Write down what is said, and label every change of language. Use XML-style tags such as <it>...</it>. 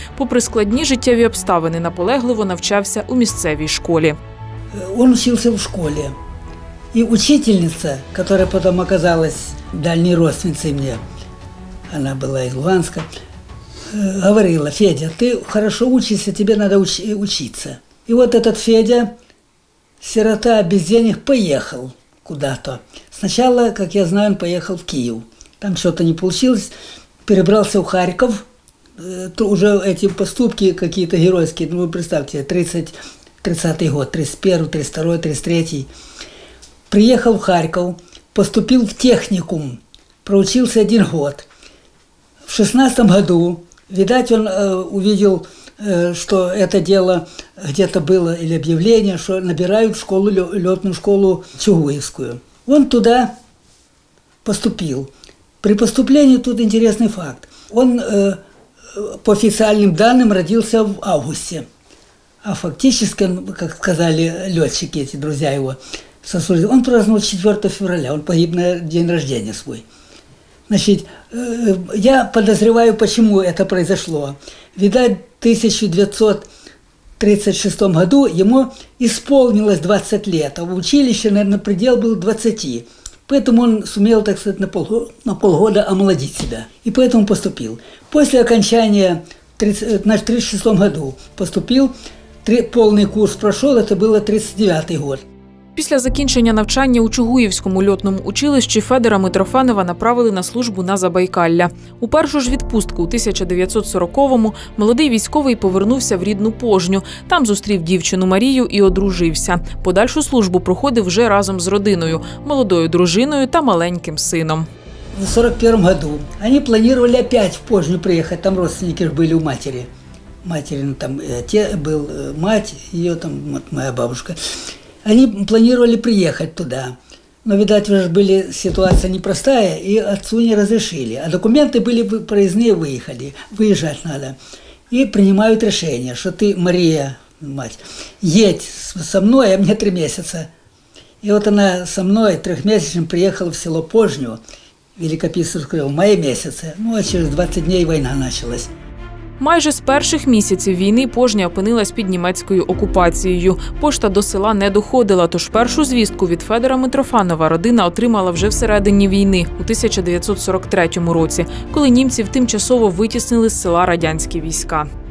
<uk>Попри складні життєві обставини, наполегливо навчався у місцевій школі. Він вчився в школі. І учительниця, яка потім оказалася дальній рідницею мені, вона була з Луганська, говорила: «Федя, ти хорошо учишся, тобі треба учитися». І от этот Федя, сирота, без денег, поїхав куда-то. Спочатку, як я знаю, він поїхав в Київ. Там щось не вийшло, перебрався у Харків. То вже ці поступки якісь геройські, ну ви представте, 30-й год, 31-й, 32-й, 33-й. Приїхав в Харків, поступив в технікум, проучився один год.</uk> <ru>В 16-му году, видать, он увидел, что это дело где-то было, или объявление, что набирают в школу, летную школу Чугуевскую. Он туда поступил. При поступлении тут интересный факт. Он по официальным данным родился в августе. А фактически, как сказали летчики, эти друзья его, сослужили, он праздновал 4 февраля, он погиб на день рождения свой. Значит, я подозреваю, почему это произошло. Видать, в 1936 году ему исполнилось 20 лет, а в училище, наверное, предел был 20. Поэтому он сумел, так сказать, на полгода омолодить себя. И поэтому поступил. После окончания, значит, в 36 году поступил, полный курс прошел, это было 39 год.</ru> <uk>Після закінчення навчання у Чугуївському льотному училищі Федора Митрофанова направили на службу на Забайкалля. У першу ж відпустку у 1940-му молодий військовий повернувся в рідну Пожню. Там зустрів дівчину Марію і одружився. Подальшу службу проходив вже разом з родиною – молодою дружиною та маленьким сином. У 41-му году вони планували опять в Пожню приїхати, там родственники ж були у матері. Материн там і отець був, мать, її там моя бабушка.</uk> <ru>Они планировали приехать туда, но, видать, уже были ситуация непростая, и отцу не разрешили. А документы были проездные, выезжать надо. И принимают решение, что ты, Мария, мать, едь со мной, а мне 3 месяца. И вот она со мной 3-месячным приехала в село Пожню, Великописарское, в мае месяце. Ну, а через 20 дней война началась.</ru> <uk>Майже з перших місяців війни Пожня опинилась під німецькою окупацією. Пошта до села не доходила, тож першу звістку від Федора Митрофанова родина отримала вже всередині війни, у 1943 році, коли німців тимчасово витіснили з села радянські війська.</uk>